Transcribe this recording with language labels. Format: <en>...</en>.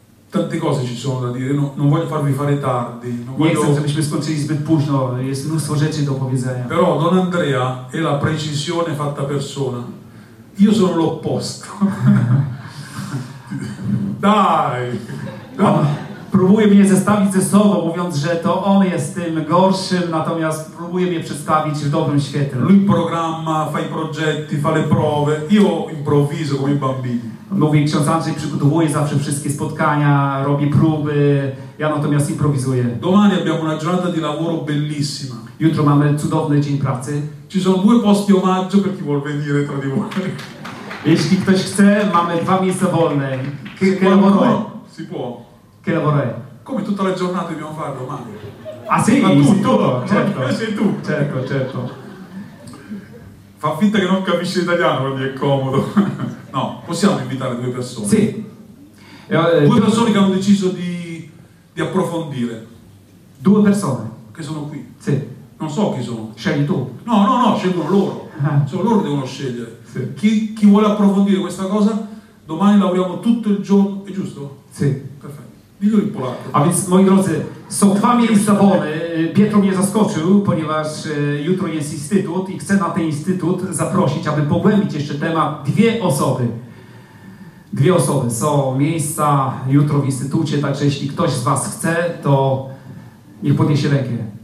<it>Tante cose ci sono da dire, non voglio farvi fare tardi.</it> <pl>Nie chcę, żebyśmy skończyli zbyt późno, jest mnóstwo rzeczy do powiedzenia.</pl> <it>Però Don Andrea è la precisione fatta persona. Io sono l'opposto. Dai!</it> <pl>próbuje mnie zestawić ze sobą, mówiąc, że to on jest tym gorszym, natomiast próbuje mnie przedstawić w dobrym świetle.</pl> <it>Lui programma, fa i progetti, fa le prove, io improvviso come i bambini.</it> <pl>Mówi, ksiądz Andrzej przygotowuje zawsze wszystkie spotkania, robi próby, ja natomiast improwizuję.</pl> <it>Domani abbiamo una giornata di lavoro bellissima.</it> <pl>Jutro mamy cudowny dzień pracy.</pl> <it>Ci sono due posti omaggio per chi vuol venire tra di voi.</it> <pl>Jeśli ktoś chce, mamy dwa miejsca wolne.</pl> <it>Che lavoro? Si può. Che lavoro è? Come tutta la giornata dobbiamo fare domani. Ah sì? Ma tutto? Certo. Ma sei tu. Certo, certo. Fa finta che non capisci l'italiano, quindi è comodo. No, possiamo invitare due persone? Sì. Due persone che hanno deciso di approfondire. Due persone? Che sono qui. Sì. Non so chi sono. Scegli tu. No, no, no, scelgono loro. Sono loro che devono scegliere. Sì. Chi vuole approfondire questa cosa, domani lavoriamo tutto il giorno, è giusto? Sì. Perfetto. Dillo in polacco.</it> <pl>A więc, moi drodzy, są dwa miejsca wolne. Pietro mnie zaskoczył, ponieważ jutro jest instytut i chcę na ten instytut zaprosić, aby pogłębić jeszcze temat, dwie osoby. Dwie osoby są miejsca jutro w instytucie, także jeśli ktoś z was chce, to niech podniesie rękę.</pl>